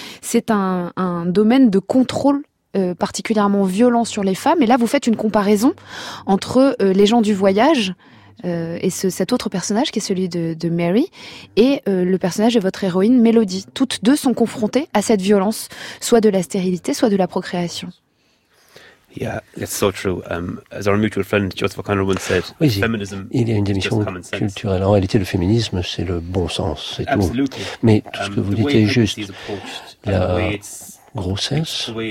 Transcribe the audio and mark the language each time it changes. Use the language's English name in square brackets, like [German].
[French] C'est un domaine de contrôle particulièrement violent sur les femmes. Et là, vous faites une comparaison entre les gens du voyage et cet autre personnage qui est celui de Mary et le personnage de votre héroïne, Mélodie. Toutes deux sont confrontées à cette violence, soit de la stérilité, soit de la procréation. [English] Yeah, that's so true. As our mutual friend Joseph O'Connor once said, oui, feminism. [French] Il y a une dimension culturelle. En réalité, le féminisme, c'est le bon sens, c'est tout. Mais tout ce que vous dites est juste. La grossesse,